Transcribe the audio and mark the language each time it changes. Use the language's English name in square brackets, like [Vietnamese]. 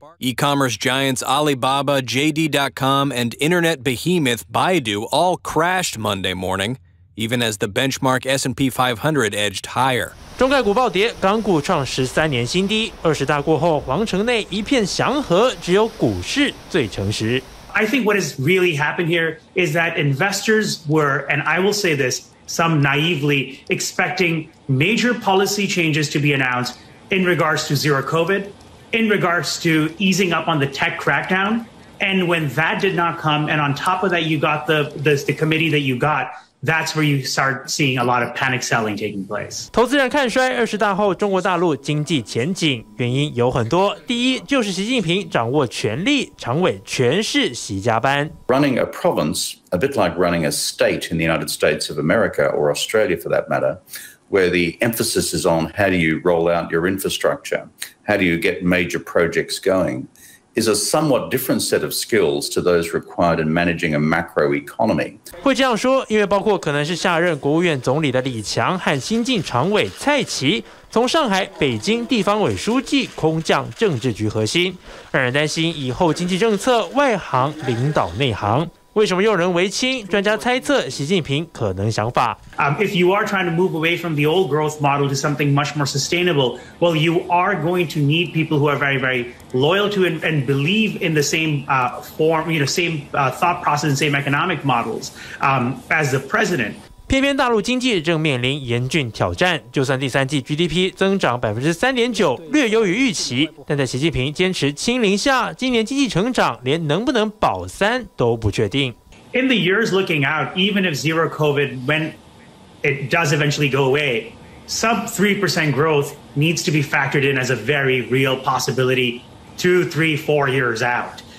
[English] E-commerce giants Alibaba, JD.com, and internet behemoth Baidu all crashed Monday morning, even as the benchmark S&P 500 edged higher. [Chinese] 中概股暴跌，港股创13年新低。二十大过后，皇城内一片祥和，只有股市最诚实。 [English] I think what has really happened here is that investors were, and I will say this. Some naively expecting major policy changes to be announced in regards to zero COVID, in regards to easing up on the tech crackdown. And when that did not come, and on top of that, you got the committee that you got, that's where you start seeing a lot of panic selling taking place. [Chinese] 投资人看衰二十大后中国大陆经济前景，原因有很多。第一，就是习近平掌握权力，常委全是习家班。 [English] Running a province. A bit like running a state in the United States of America or Australia for that matter, where the emphasis is on how do you roll out your infrastructure, how do you get major projects going, is a somewhat different set of skills to those required in managing a macro economy. [Chinese] 会这样说，因为包括可能是下任国务院总理的李强和新晋常委蔡奇，从上海、北京地方委书记空降政治局核心，让人担心以后经济政策外行领导内行。为什么又有人为亲？专家猜测习近平可能想法。 [English] If you are trying to move away from the old growth model to something much more sustainable, well, you are going to need people who are very, very loyal to and believe in the same form, you know, same thought process and same economic models as the president. [Chinese] 偏偏大陆经济正面临严峻挑战，就算第三季 GDP 增长 3.9%， 略优于预期，但在习近平坚持清零下，今年经济成长连能不能保三都不确定。 [English] In the years looking out, even if zero COVID, when it does eventually go away, sub-3% growth needs to be factored in as a very real possibility 2-4 years out.